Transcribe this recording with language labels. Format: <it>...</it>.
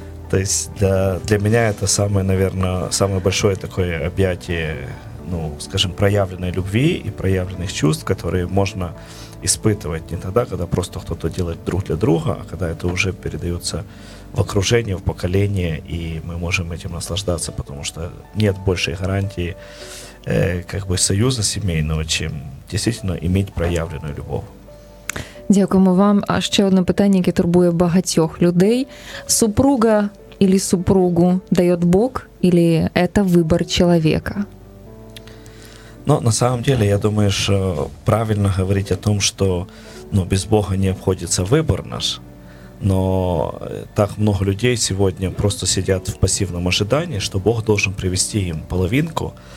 <ru>То есть для меня это самое, наверное, самое большое такое объятие, ну, скажем, проявленной любви и проявленных чувств, которые можно испытывать не тогда, когда просто кто-то делает друг для друга, а когда это уже передается в окружение, в поколение, и мы можем этим наслаждаться, потому что нет большей гарантии как бы союза семейного, чем действительно иметь проявленную любовь.</ru> <uk>Дякуємо вам. А ще одне питання, яке турбує багатьох людей.</uk> <ru>Супруга или супругу дает Бог, или это выбор человека? Ну, на самом деле, я думаю, что правильно говорить о том, что, ну, без Бога не обходится выбор наш. Но так много людей сегодня просто сидят в пассивном ожидании, что Бог должен привести им половинку.</ru>